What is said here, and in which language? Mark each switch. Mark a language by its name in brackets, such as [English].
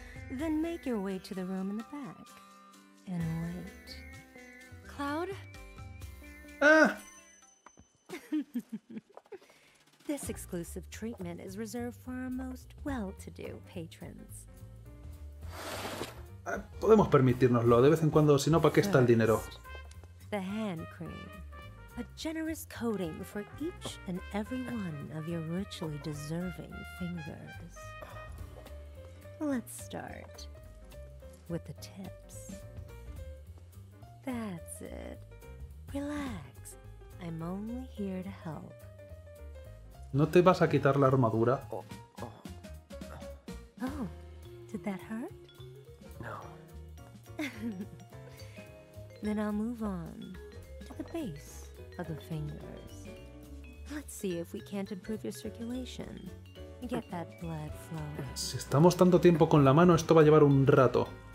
[English] Then make your way to the room in the back and wait. Cloud? This exclusive treatment is reserved for our most well-to-do patrons. [Spanish] Podemos permitirnoslo de vez en cuando, si no, ¿para qué está el dinero? [English] The hand cream. A generous coating for each and every one of your richly deserving fingers. Let's start with the tips. That's it. Relax. I'm only here to help. [Spanish] ¿No te vas a quitar la armadura? [English] Oh, did that hurt? No. Then I'll move on to the base of the fingers. Let's see if we can't improve your circulation. Get that blood flowing. [Spanish] Si estamos tanto tiempo con la mano, esto va a llevar un rato.